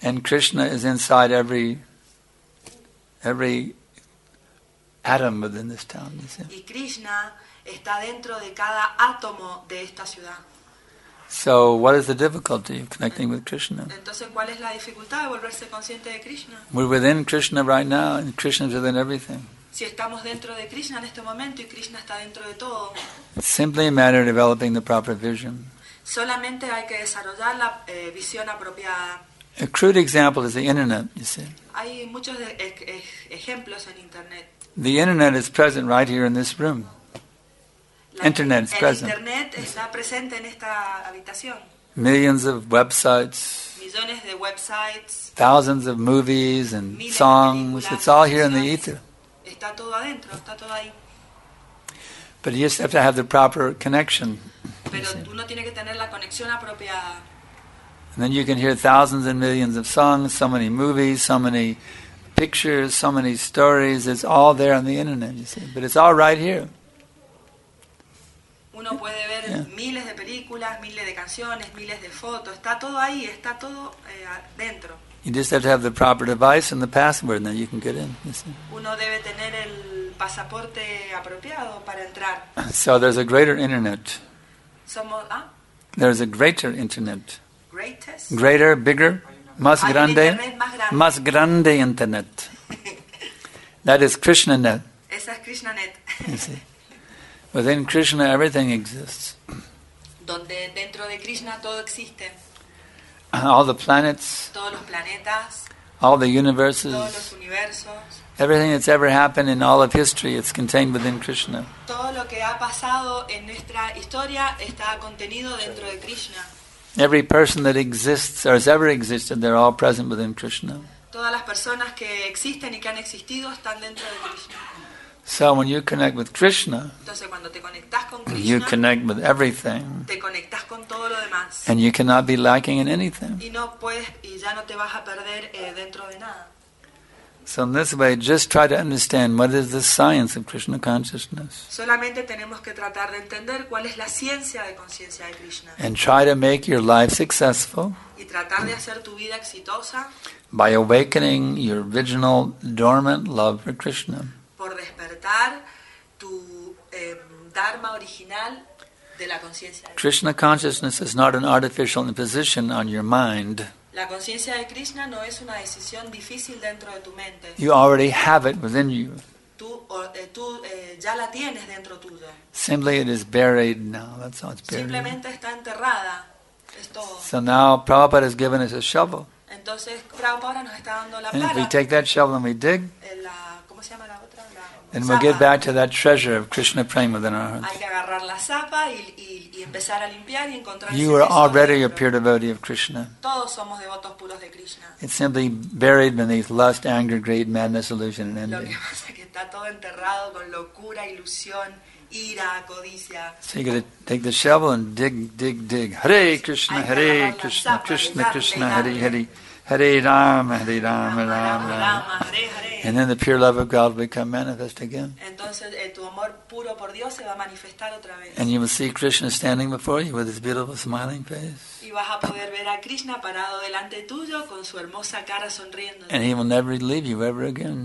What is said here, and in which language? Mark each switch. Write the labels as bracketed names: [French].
[English] And Krishna is inside every atom within this town, you see. [Spanish] Y Krishna está dentro de cada átomo de esta ciudad. [English] So what is the difficulty of connecting with Krishna? [Spanish] Entonces, ¿cuál es la dificultad de volverse consciente de Krishna? [English] We're within Krishna right now, and Krishna is within everything. [Spanish] Si estamos dentro de Krishna en este momento y Krishna está dentro de todo. [English] Simply a matter of developing the proper vision. [Spanish] Solamente hay que desarrollar la visión apropiada. [English] A crude example is the internet, you see. [Spanish] Hay muchos ejemplos en internet. [English] The internet is present right here in this room. Internet is present. [Spanish] Internet está presente en esta habitación. [English] Millions of websites. [Spanish] Millones de websites. [English] Thousands of movies and songs. It's all here in the ether. [Spanish] Está todo adentro, está todo ahí. [English] But you just have to have the proper connection. [Spanish] Pero uno tiene que tener la conexión apropiada. [English] And then you can hear thousands and millions of songs, so many movies, so many pictures, so many stories. It's all there on the internet, you see. But it's all right here. [Spanish] Uno puede ver miles de películas, miles de canciones, miles de fotos. Está todo ahí, está todo dentro. [English] You just have to have the proper device and the password, and then you can get in, you see. [Spanish] Uno debe tener el pasaporte apropiado para entrar. [English] So there's a greater internet. There's a greater internet. Greatest? Greater, bigger, [Spanish] más grande. Más grande [English] internet. That is Krishna net. [Spanish] Esa es Krishna net. [English] You see. Within Krishna, everything exists. [Spanish] Donde dentro de Krishna todo existe. [English] All the planets. [Spanish] Todos los planetas. [English] All the universes. [Spanish] Todos los universos. [English] Everything that's ever happened in all of history, it's contained within Krishna. [Spanish] Todo lo que ha pasado en nuestra historia está contenido dentro de Krishna. [English] Every person that exists or has ever existed, they're all present within Krishna. [Spanish] Todas las personas que existen y que han existido están dentro de Krishna. [English] So when you connect with Krishna, [Spanish] entonces, cuando te conectas con Krishna, [English] you connect with everything, [Spanish] te conectas con todo lo demás, [English] and you cannot be lacking in anything. [Spanish] Y no puedes, y ya no te vas a perder, dentro de nada. [English] So in this way, just try to understand what is the science of Krishna consciousness. [Spanish] Solamente tenemos que tratar de entender cuál es la ciencia de conciencia de Krishna. [English] And try to make your life successful. [Spanish] Y tratar de hacer tu vida exitosa. [English] By awakening your original dormant love for Krishna. [Spanish] Por despertar tu dharma original de la conciencia. [English] Krishna consciousness is not an artificial imposition on your mind. [Spanish] La conciencia de Krishna no es una decisión difícil dentro de tu mente. [English] You already have it within you. [Spanish] Tú ya la tienes dentro tuyo. [English] Simply it is buried now. That's all, it's buried. [Spanish] Simplemente está enterrada. Es todo. [English] So now Prabhupada has given us a shovel. [Spanish] Entonces Prabhupada nos está dando la [English] and [Spanish] pala. [English] If we take that shovel and we dig, [Spanish] la, ¿cómo se llama la otra? La [English] and zapa. We'll get back to that treasure of Krishna Prema within our hearts. [Spanish] Hay que agarrar la zapa y empezar a limpiar y encontrar. [English] You are already a pure devotee of Krishna. [Spanish] Todos somos devotos puros de Krishna. [English] It's simply buried beneath lust, anger, greed, madness, illusion, and envy. [Spanish] Lo que pasa es que está todo enterrado con locura, ilusión, ira, codicia. [English] So you gotta take the shovel and dig. Hare Krishna, Hare Krishna, Krishna Krishna, Hare Hare. [Sanskrit] Hare Rama, Hare Rama, Rama Rama. [English] And then the pure love of God will become manifest again. [Spanish] Entonces, tu amor puro por Dios se va a manifestar otra vez. [English] And you will see Krishna standing before you with his beautiful smiling face. [Spanish] Y vas a poder ver a Krishna parado delante tuyo con su hermosa cara sonriendo. [English] And he will never leave you ever again.